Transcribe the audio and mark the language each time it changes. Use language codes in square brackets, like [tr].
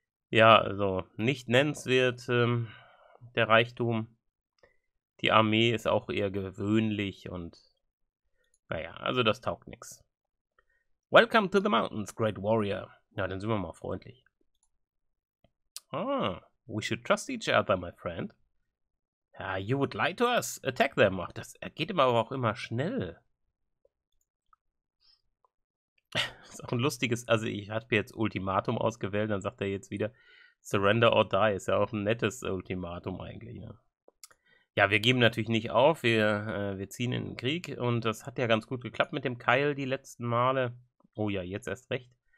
[de] Ja, also nicht nennenswert der Reichtum. Die Armee ist auch eher gewöhnlich und naja, also das taugt nichts. [en] Welcome to the mountains, great warrior. [de] Ja, dann sind wir mal freundlich. [en] Ah, we should trust each other, my friend. Ah, you would lie to us, attack them. [de] Ach, das geht aber auch immer schnell. Ist auch ein lustiges, also ich habe jetzt Ultimatum ausgewählt, dann sagt er jetzt wieder [en] Surrender or Die, [de] ist ja auch ein nettes Ultimatum eigentlich. Ne? Ja, wir geben natürlich nicht auf, wir ziehen in den Krieg und das hat ja ganz gut geklappt mit dem Keil die letzten Male. Oh ja, jetzt erst recht.